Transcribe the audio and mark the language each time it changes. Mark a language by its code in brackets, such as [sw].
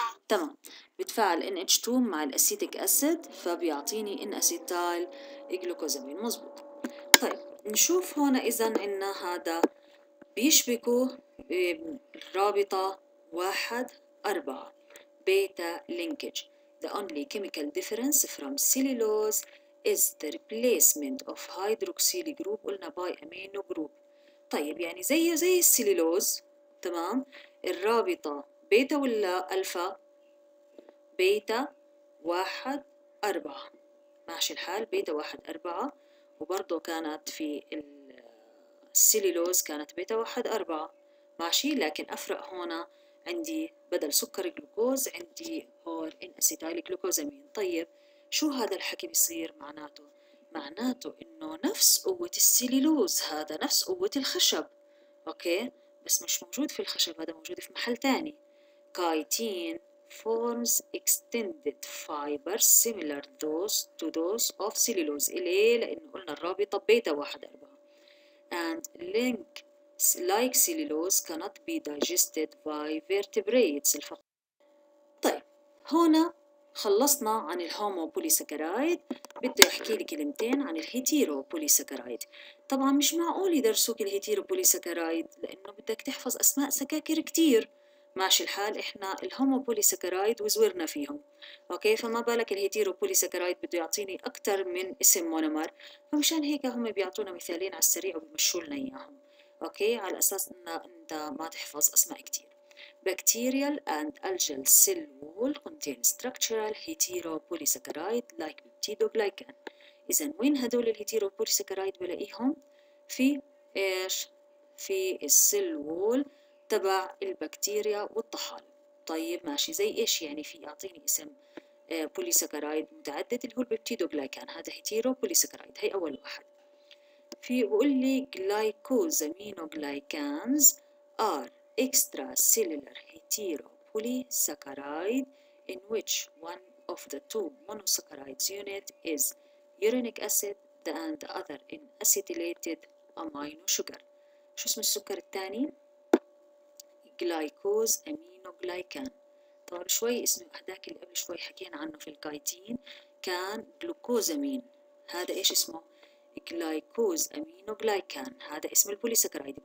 [ar] تمام، بتفاعل NH2 مع الأسيتك أسيد فبيعطيني إن أسيتال جلوكوزامين. مزبوط. طيب نشوف هنا، إذا عنا هذا بيشبكوا رابطة 1-4 بيتا لينكج. [en] The only chemical difference from cellulose is the replacement of hydroxyl group [ar] قلنا [en] by amino group. [ar] طيب يعني زي السليلوز، تمام، الرابطة بيتا ولا ألفا؟ بيتا 1-4. ماشي الحال، بيتا 1-4، وبرضو كانت في السليلوز كانت بيتا 1-4. ماشي، لكن أفرق هنا عندي بدل سكر جلوكوز عندي هون إن أسيتايل جلوكوزامين. طيب شو هذا الحكي بيصير معناته؟ معناته إنه نفس قوة السليلوز، هذا نفس قوة الخشب، أوكي، بس مش موجود في الخشب، هذا موجود في محل تاني. [en] Chitin forms extended fibers similar those to those of cellulose. [ar] إليه؟ لأنه قلنا الرابطة بيتا 1-4. [en] And link like cellulose cannot be digested by vertebrates. [ar] طيب هنا خلصنا عن الهومو بوليساكرايد، بدي احكي لك كلمتين عن الهيتيرو بوليساكرايد. طبعا مش معقول يدرسوك الهيتيرو بوليساكرايد لانه بدك تحفظ اسماء سكاكر كتير. ماشي الحال، احنا الهومو بوليساكرايد وزورنا فيهم، اوكي، فما بالك الهيتيرو بوليساكرايد بده يعطيني اكتر من اسم مونومر، فمشان هيك هم بيعطونا مثالين على السريع وبيمشوا لنا اياهم، اوكي، على اساس ان انت ما تحفظ اسماء كتير. [en] Bacterial and algal cell wall contain structural heteropolysaccharide like peptidoglycan. [ar] اذا وين هدول الهيتيروبوليساكرايد بلاقيهم؟ في ايش؟ في السيل وول تبع البكتيريا والطحالب. طيب ماشي، زي ايش يعني؟ في يعطيني اسم بوليساكرايد متعدد اللي هو البيبتيدوغلايكان، هذا هيتيروبوليساكرايد، هي اول واحد. في يقول لي [en] glycosaminoglycans are extracellular heteropolysaccharide in which one of the two monosaccharides unit is uric acid and the other in acetylated amino sugar. [ar] شو اسم السكر الثاني؟ glycosaminoglycan. طبعا شوي اسم هذاك اللي قبل شوي حكينا عنه في الكايتين كان جلوكوزامين، هذا ايش اسمه؟ جلايكوز امينو جلايكان، هذا اسم البوليساكرايد.